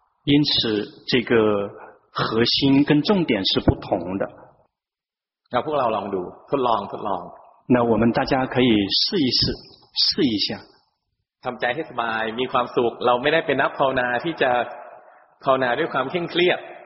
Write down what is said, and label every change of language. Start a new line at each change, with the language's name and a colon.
Chinese: 因此这个核心跟重点是不同的
Thai: 那พวกเราลองดูทดลองทดลอง
Chinese: 那我们大家可以试一试试一下
Thai: ทำใจให้สบายมีความสุขเราไม่ได้เป็นนักภาวนาที่จะภาวนาด้วยความเคร่งเครียด